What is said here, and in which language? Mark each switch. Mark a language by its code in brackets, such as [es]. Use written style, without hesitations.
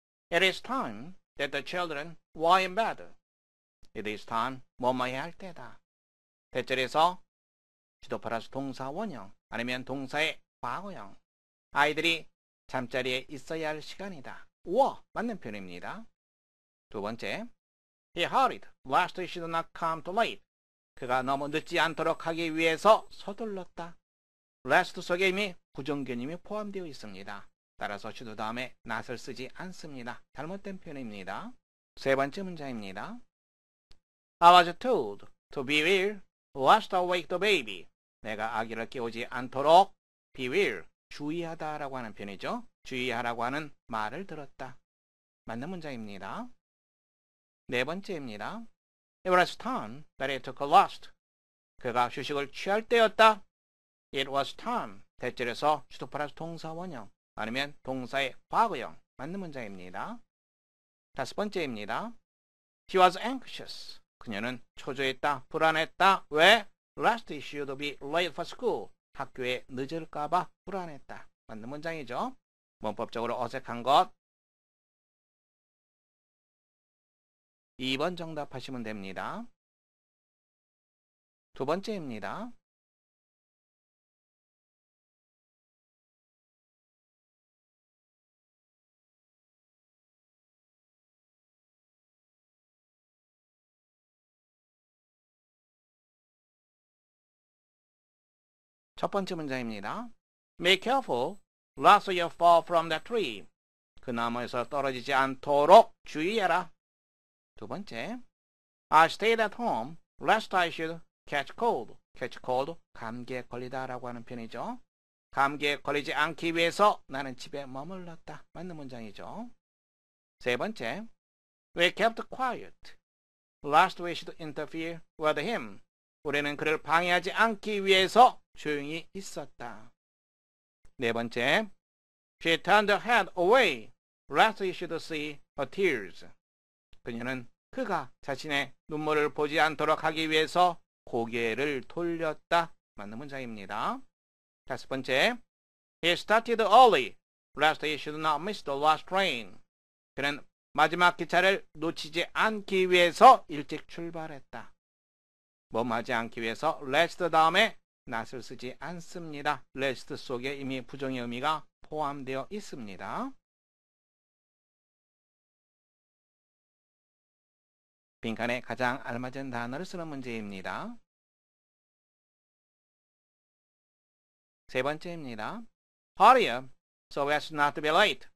[en] It is time that the children were in bed. It is time [ko] 뭐뭐 해야 할 때다. 대절에서 주도 플러스 동사 원형 아니면 동사의 과거형. 아이들이 잠자리에 있어야 할 시간이다. were 맞는 표현입니다. 두 번째. [en] He hurried lest he should not come too late. [ko] 그가 너무 늦지 않도록 하기 위해서 서둘렀다. lest 속에 이미 부정개념이 포함되어 있습니다. 따라서 주도 다음에 not을 쓰지 않습니다. 잘못된 표현입니다. 세 번째 문장입니다. [en] I was told to beware lest I wake the baby. [ko] 내가 아기를 깨우지 않도록 beware, 주의하다라고 하는 표현이죠. 주의하라고 하는 말을 들었다. 맞는 문장입니다. 네 번째입니다. [en] It was time that he took a rest. [ko] 그가 휴식을 취할 때였다. [en] It was time. [ko] 대절에서 주도 플러스 동사 원형 아니면 동사의 과거형. 맞는 문장입니다. 다섯 번째입니다. [en] She was anxious. [ko] 그녀는 초조했다. 불안했다. 왜? [en] Lest he should be late for school. [ko] 학교에 늦을까 봐 불안했다. 맞는 문장이죠? 문법적으로 어색한 것. 2번 정답 하시면 됩니다. 두 번째입니다. 첫 번째 문장입니다. [en] Be careful lest you fall from that tree. [ko] 그 나무에서 떨어지지 않도록 주의해라. 두 번째. [en] I stayed at home lest I should catch cold. [ko] Catch cold, 감기에 걸리다라고 하는 표현이죠. 감기에 걸리지 않기 위해서 나는 집에 머물렀다. 맞는 문장이죠. 세 번째. [en] We kept quiet lest we should interfere with him. [ko] 우리는 그를 방해하지 않기 위해서 조용히 있었다. 네 번째. [en] She turned her head away lest he should see her tears. [ko] 그녀는 그가 자신의 눈물을 보지 않도록 하기 위해서 고개를 돌렸다. 맞는 문장입니다. 다섯 번째. [en] He started early lest he should not miss the last train. [ko] 그는 마지막 기차를 놓치지 않기 위해서 일찍 출발했다. 멈하지 않기 위해서 lest 다음에 not을 쓰지 않습니다. lest 속에 이미 부정의 의미가 포함되어 있습니다. 빈칸에 가장 알맞은 단어를 쓰는 문제입니다. 세 번째입니다. [en] Hurry up so as not to be late.